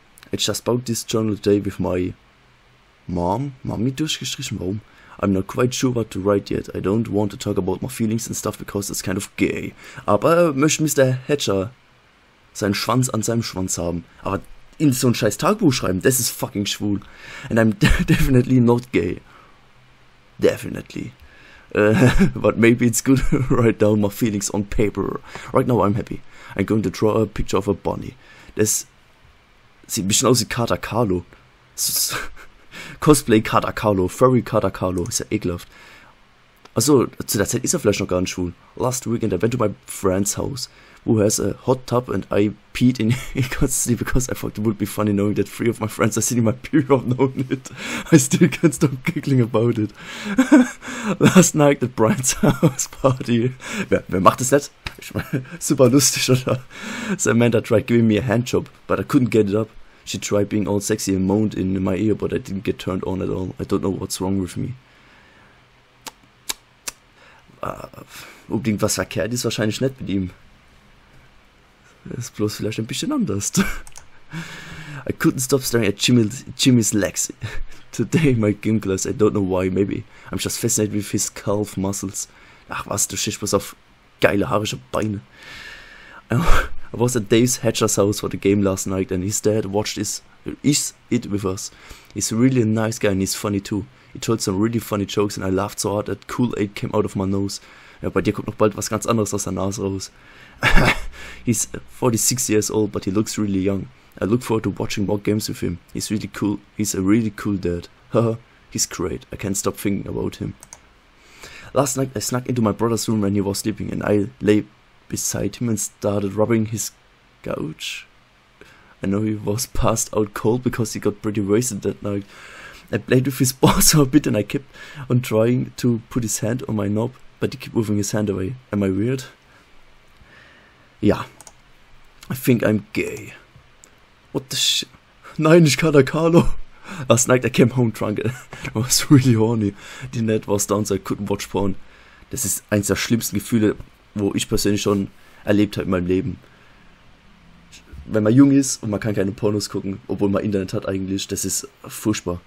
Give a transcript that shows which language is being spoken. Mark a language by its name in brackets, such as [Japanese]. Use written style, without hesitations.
[English] I just bought this journal today with my mom. [German] Mami durchgestrichen, warum? [English] I'm not quite sure what to write yet. I don't want to talk about my feelings and stuff because it's kind of gay. [German] Aber möchte Mr. Hatcher seinen Schwanz an seinem Schwanz haben. Aber in so ein scheiß Tagebuch schreiben, das ist fucking schwul. [English] And I'm definitely not gay. Definitely. But maybe it's good to write down my feelings on paper. Right now I'm happy. I'm going to draw a picture of a bunny. [German] Das sieht ein bisschen aus wie Kater Carlo. Cosplay Kater Carlo, Furry Kater Carlo, ist ja ekelhaft. Achso, zu der Zeit ist er vielleicht noch gar nicht schwul. [English] Last weekend I went to my friend's house, who has a hot tub and I peed in it constantly because I thought it would be funny knowing that three of my friends are sitting in my period knowing it. I still can't stop giggling about it. Last night at Brian's house party. [German] Wer macht das nicht? Ich meine, super lustig, oder? [English] So Amanda tried giving me a handjob, but I couldn't get it up. She tried being all sexy and moaned in my ear, but I didn't get turned on at all. I don't know what's wrong with me. [German] Unbedingt was verkehrt ist wahrscheinlich nicht mit ihm. Ist bloß vielleicht ein bisschen anders. [English] I couldn't stop staring at Jimmy's legs. Today my gym class, I don't know why, maybe. I'm just fascinated with his calf muscles. [German] Ach was, du stehst bloß auf geile haarische Beine. [English] I was at Dave's Hatcher's house for the game last night and his dad watched is it with us. He's really a nice guy and he's funny too. He told some really funny jokes and I laughed so hard that Kool-Aid came out of my nose. [German] Ja, bei dir kommt noch bald was ganz anderes aus der Nase raus. [English] He's 46 years old, but he looks really young. I look forward to watching more games with him. He's really cool. He's a really cool dad. Haha, he's great. I can't stop thinking about him. Last night I snuck into my brother's room when he was sleeping and I lay beside him and started rubbing his gouge. I know he was passed out cold because he got pretty wasted that night. I played with his balls a bit and I kept on trying to put his hand on my knob, but he kept moving his hand away. Am I weird? Ja. I think I'm gay. What the shit? [German] Nein, ich kann da Carlo. [English] Last night I came home drunk. I was really horny. The net was down, so I couldn't watch porn. [German] Das ist eins der schlimmsten Gefühle, wo ich persönlich schon erlebt habe in meinem Leben. Wenn man jung ist und man kann keine Pornos gucken, obwohl man Internet hat eigentlich, das ist furchtbar.